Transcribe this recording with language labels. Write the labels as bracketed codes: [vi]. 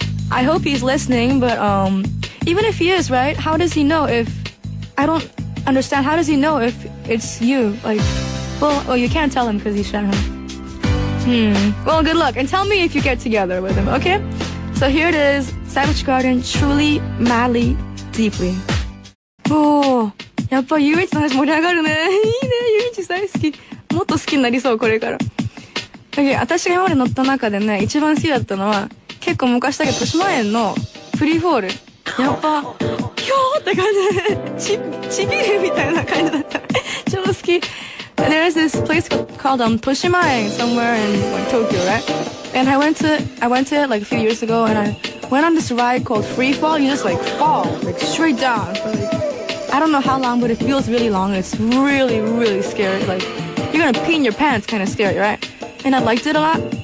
[en] I hope he's listening, but even if he is, right? How does he know if... I don't understand. How does he know if it's you? Like, well, you can't tell him because he's shy. Well, good luck. And tell me if you get together with him, okay? So here it is. Savage Garden, Truly, Madly, Deeply. [ja] Oh, やっぱ遊園地の話盛り上がるね。いいね、遊園地大好き。もっと好きになりそう、これから。私が今まで乗った中でね、一番好きだったのは、結構昔だけど、豊島園のフリーフォール。やっぱ、ひょーって感じで、ちぎるみたいな感じだった。超好き。 [en] There's this place called, 豊島園 somewhere in Tokyo, right? And I went to it like a few years ago, and I went on this ride called free fall. You just like fall, like straight down. For, like, I don't know how long, but it feels really long. It's really, really scary. Like, you're gonna pee in your pants kind of scary, right? And I liked it a lot.